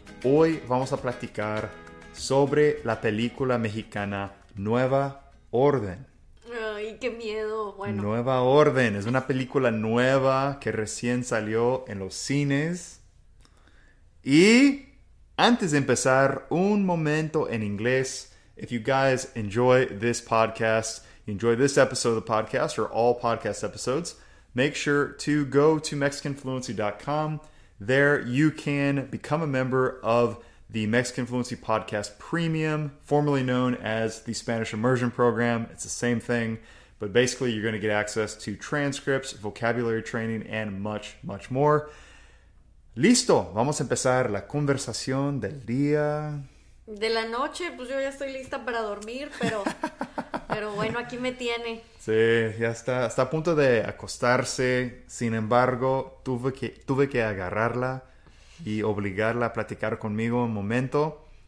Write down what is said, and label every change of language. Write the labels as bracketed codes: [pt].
[es] Hoy vamos a platicar sobre la película mexicana Nueva Orden. ¡Ay, qué miedo! Bueno. Nueva Orden, es una película nueva que recién salió en los cines. Y antes de empezar, un momento en inglés. [en] If you guys enjoy this podcast, enjoy this episode of the podcast or all podcast episodes, make sure to go to MexicanFluency.com. There you can become a member of the Mexican Fluency Podcast Premium, formerly known as the Spanish Immersion Program. It's the same thing, but basically you're going to get access to transcripts, vocabulary training, and much, much more. [es] Listo, vamos a empezar la conversación del día. De la noche, pues yo ya estoy lista para dormir, pero, pero bueno, aquí me tiene. Sí, ya está a punto de acostarse. Sin embargo, tuve que agarrarla y obligarla a platicar conmigo un momento.